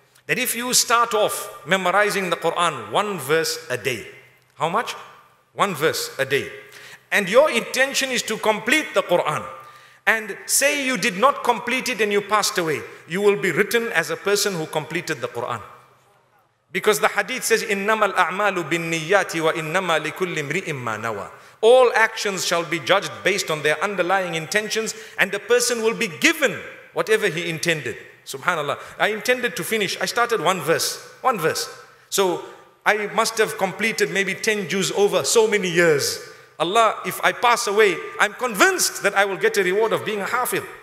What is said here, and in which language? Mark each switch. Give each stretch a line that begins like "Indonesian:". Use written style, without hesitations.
English: that if you start off memorizing the Quran one verse a day, how much? One verse a day. And your intention is to complete the Quran. And say you did not complete it and you passed away, you will be written as a person who completed the Quran. Because the hadith says,
Arabic: إِنَّمَا الْأَعْمَالُ بِالنِّيَّاتِ وَإِنَّمَا لِكُلِّ امْرِئٍ مَّا نَوَى.
English: All actions shall be judged based on their underlying intentions, and a person will be given whatever he intended. Subhanallah. I intended to finish. I started one verse. One verse. So I must have completed maybe 10 juz over so many years. Allah, if I pass away, I'm convinced that I will get a reward of being a hafidh.